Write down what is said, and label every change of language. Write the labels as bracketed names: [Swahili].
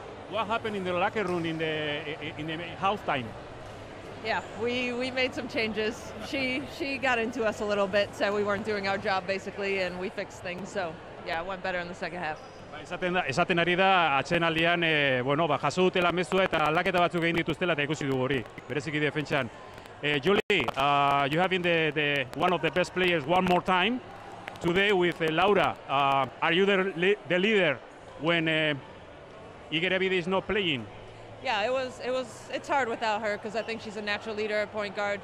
[English] What happened in the locker room in the halftime? Yeah, we made some changes. She got into us a little bit, said we weren't doing our job basically, and we fixed things. So yeah, it went better in the second half. [Basque] Esaten ari da atzenaldian jaso dutela mezua eta aldaketa batzuk egin dituztela eta ikusi dugu hori, bereziki defentsan. [English] Julie, you have been the one of the best players one more time today with Laura. Are you the leader when Iger Ebide is not playing? Yeah, it's hard without her, because I think she's a natural leader, a point guard.